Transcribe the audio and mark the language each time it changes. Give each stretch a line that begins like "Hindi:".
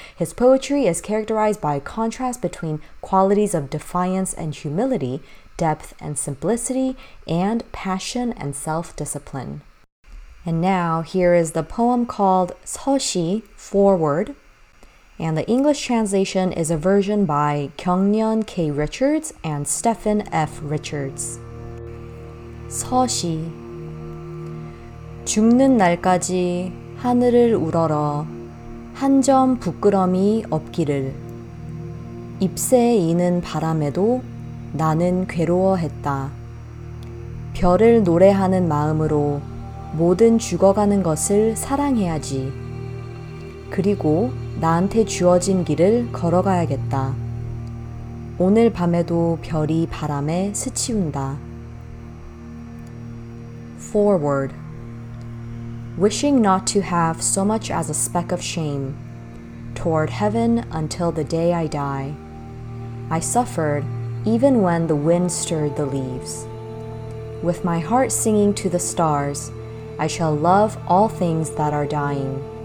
English: His poetry is characterized by a contrast between qualities of defiance and humility, depth and simplicity, and passion and self-discipline. And now, here is the poem called 서시, Foreword. And the English translation is a version by Kyungnyeon K. Richards and Stephen F. Richards.
Korean: 서시 죽는 날까지 하늘을 우러러 한 점 부끄럼이 없기를 잎새 이는 바람에도 나는 괴로워했다. 별을 노래하는 마음으로 모든 죽어가는 것을 사랑해야지. 그리고 나한테 주어진 길을 걸어가야겠다. 오늘 밤에도 별이 바람에 스치운다.
English: Forward. Wishing not to have so much as a speck of shame. Toward heaven until the day I die. I suffered even when the wind stirred the leaves. With my heart singing to the stars, I shall love all things that are dying.